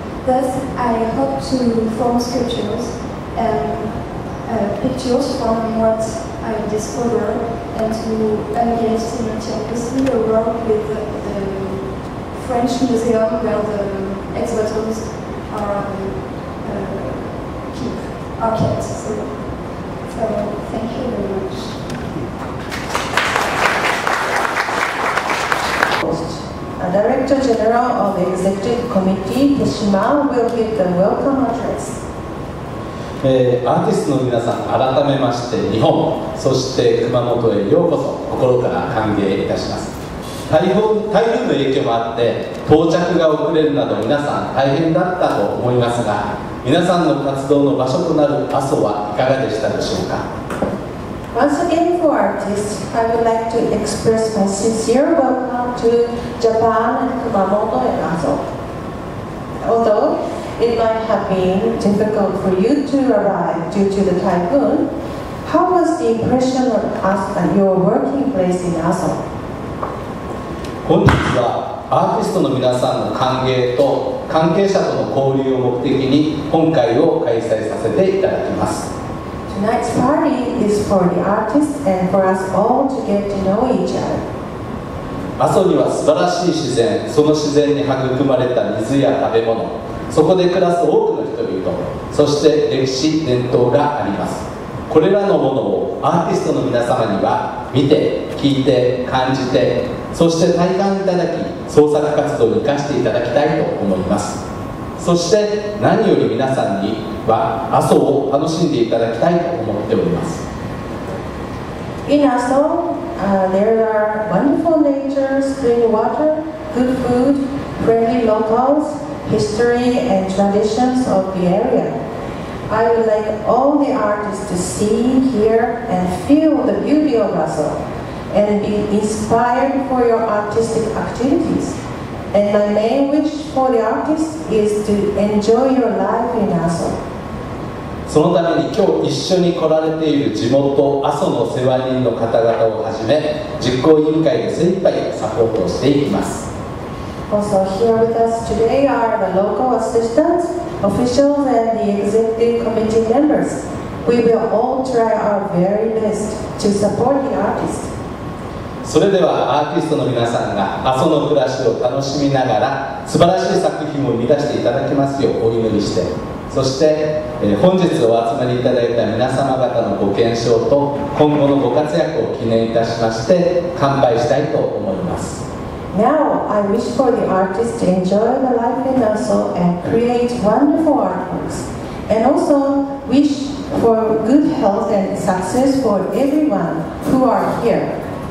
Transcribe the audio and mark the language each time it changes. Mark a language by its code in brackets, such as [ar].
[en] Thus, I hope to form sculptures and pictures from what I discover and to engage simultaneously a work with the French museum where the ex-voters are kept. So thank you very much. Director General of the Executive Committee, Tsushima, will give the welcome address. [ja] アーティストの皆さん、改めまして日本、そして熊本へようこそ、心から歓迎いたします。台風の影響もあって到着が遅れるなど皆さん大変だったと思いますが、皆さんの活動の場所となる阿蘇はいかがでしたでしょうか。 [en] Once again for artists, I would like to express my sincere welcome to Japan and Kumamoto and Aso. Although it might have been difficult for you to arrive due to the typhoon, how was the impression of us at your working place in Aso? [ja] 本日はアーティストの皆さんの歓迎と関係者との交流を目的に今回を開催させていただきます。 [en] Tonight's party is for the artists and for us all to get to know each other. [ja] 阿蘇には素晴らしい自然、その自然に育まれた水や食べ物、そこで暮らす多くの人々、そして歴史、伝統があります。これらのものをアーティストの皆様には見て、聞いて、感じて、そして体感いただき、創作活動に生かしていただきたいと思います。そして何より皆さんには阿蘇を楽しんでいただきたいと思っております。 [en] In Aso, there are wonderful nature, spring water, good food, friendly locals, history and traditions of the area. I would like all the artists to see, hear and feel the beauty of Aso and be inspired for your artistic activities. And my main wish for the artists is to enjoy your life in Aso. [ja] そのために今日一緒に来られている地元阿蘇の世話人の方々をはじめ実行委員会で精一杯サポートしていきます。 [en] Also here with us today are the local assistants, officials and the executive committee members. We will all try our very best to support the artists. [ja] それではアーティストの皆さんが阿蘇の暮らしを楽しみながら素晴らしい作品を生み出していただきますようお祈りして、そして、本日お集まりいただいた皆様方のご健勝と今後のご活躍を記念いたしまして乾杯したいと思います。 [en] Now I wish for the artist to enjoy the life in Aso and create wonderful artworks and also wish for good health and success for everyone who are here.